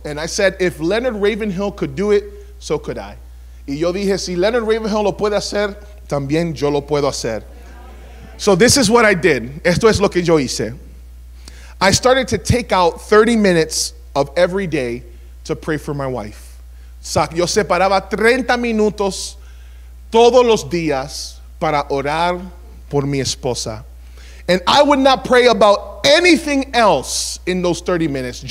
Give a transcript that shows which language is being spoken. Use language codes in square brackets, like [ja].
[en] And I said, if Leonard Ravenhill could do it, so could I. [es] Y yo dije, si Leonard Ravenhill lo puede hacer, también yo lo puedo hacer. [en] So this is what I did. [es] Esto es lo que yo hice. [en] I started to take out 30 minutes of every day to pray for my wife. [es] Yo separaba 30 minutos todos los días para orar por mi esposa. [en] And I would not pray about anything else in those 30 minutes.